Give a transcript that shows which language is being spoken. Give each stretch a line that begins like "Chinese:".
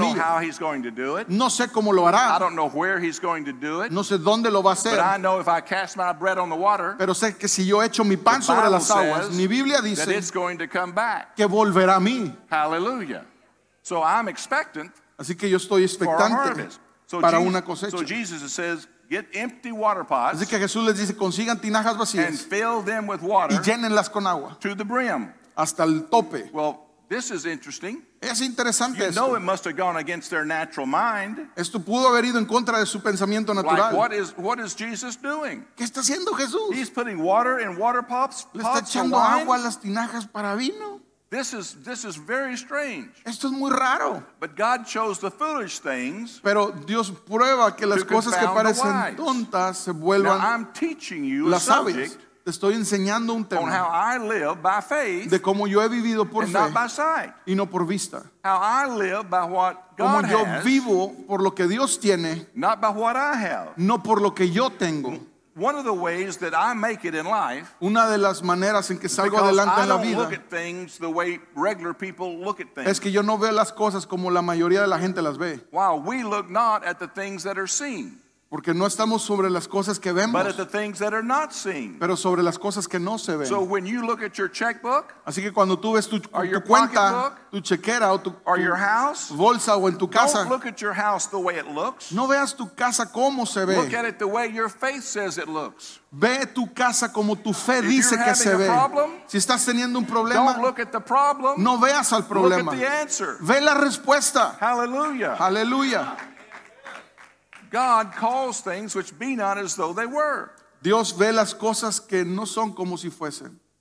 English: I don't know how he's going to do it.
Spanish: No sé cómo lo hará.
English: I don't know where he's going to do it.
Spanish: No sé dónde lo va a hacer.
English: But I know if I cast my bread on the water,
Spanish: pero sé que si yo echo mi pan sobre las aguas, mi Biblia dice
English: that it's going to come back.
Spanish: Que volverá a mí.
English: Hallelujah. So I'm expectant.
Spanish: Así que yo estoy expectante
English: so
Spanish: para
English: Jesus,
Spanish: una cosecha.
English: So Jesus says, get empty water pots.
Spanish: Así que Jesús les dice, consigan tinajas vacías.
English: And fill them with water.
Spanish: Y llénenlas con agua.
English: To the brim.
Spanish: Hasta el tope.
English: Well, this is interesting.
Spanish: Es interesante
English: you
Spanish: esto.
English: Know it must have gone against their natural mind.
Spanish: Esto pudo haber ido en contra de su pensamiento natural.
English: Like what is Jesus doing?
Spanish: ¿Qué está haciendo Jesús?
English: He's putting water in water pots.
Spanish: Le está echando agua a las tinajas para vino.
English: This is very strange.
Spanish: Esto es muy raro.
English: But God chose the foolish things.
Spanish: Pero Dios prueba que las cosas que parecen tontas se vuelvan las sabias.
English: Now I'm teaching you a subject.
Spanish: Te estoy enseñando un tema
English: on how I live by faith,
Spanish: de cómo yo he vivido por
English: and
Spanish: fe
English: not by sight.
Spanish: Y no por vista.
English: How I live by what God
Spanish: como yo
English: has,
Spanish: vivo por lo que Dios tiene,
English: not by what I have.
Spanish: No por lo que yo tengo.
English: One of the ways that I make it in life,
Spanish: una de las maneras en que salgo adelante en la vida,
English: look at things the way regular people look at things.
Spanish: Es que yo no veo las cosas como la mayoría de la gente las ve.
English: Wow, we look not at the things that are seen.
Spanish: Porque no estamos sobre las cosas que vemos,
English: but at the things that are not seen.
Spanish: Pero sobre las cosas que no se ven.
English: So when you look at your checkbook,
Spanish: así que cuando tú ves tu cuenta, tu chequera o tu bolsa o en tu casa,
English: don't look at your house the way it looks.
Spanish: No veas tu casa como se ve.
English: Look at it the way your faith says it looks.
Spanish: Ve tu casa como tu fe dice que se ve.
English: Problem,
Spanish: si estás teniendo un problema,
English: don't look at the problem,
Spanish: no veas al problema.
English: Look at the answer.
Spanish: Ve la respuesta.
English: Hallelujah. Hallelujah. God calls things which be not as though they were.
Spanish: Dios ve las cosas que no son como si fuesen.